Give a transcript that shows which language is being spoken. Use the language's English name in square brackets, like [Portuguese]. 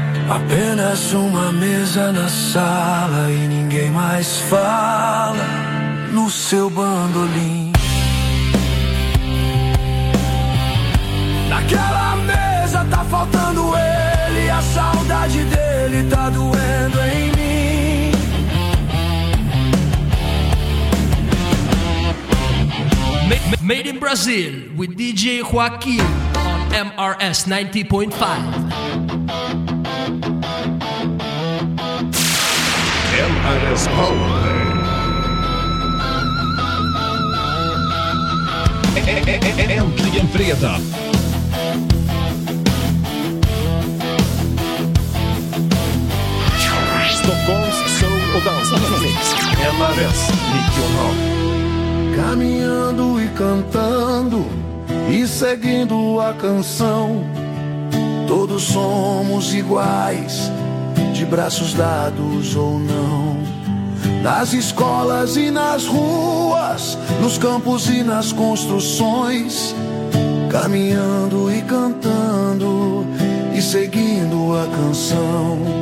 [Portuguese] Apenas uma mesa na sala e ninguém mais fala no seu bandolim. Naquela mesa tá faltando ele, a saudade dele tá doendo em mim. [English] Made in Brazil with DJ Joaquim on MRS 90.5. MRS Power. [Swedish] Äntligen fredag. Stockholms soul och dansmix. MRS 90.5. [Portuguese] Caminhando e cantando e seguindo a canção, todos somos iguais, de braços dados ou não. Nas escolas e nas ruas, nos campos e nas construções, caminhando e cantando e seguindo a canção.